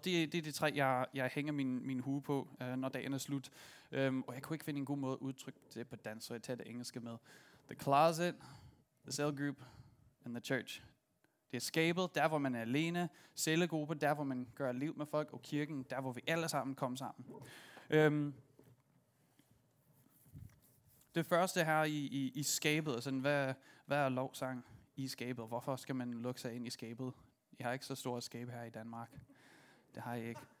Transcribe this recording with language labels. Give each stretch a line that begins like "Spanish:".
Danish: Det er de tre, jeg hænger min hue på, når dagen er slut. Og jeg kunne ikke finde en god måde at udtrykke det på dansk, så jeg tager det engelske med.
English: The closet, the cell group, and the church.
Danish: Det er skabet, der hvor man er alene. Cellegruppe, der hvor man gør liv med folk. Og kirken, der hvor vi alle sammen kommer sammen. Det første her i skabet, sådan, hvad er lovsang i skabet? Hvorfor skal man lukke sig ind i skabet? Jeg har ikke så stort skab her i Danmark. Det har jeg ikke.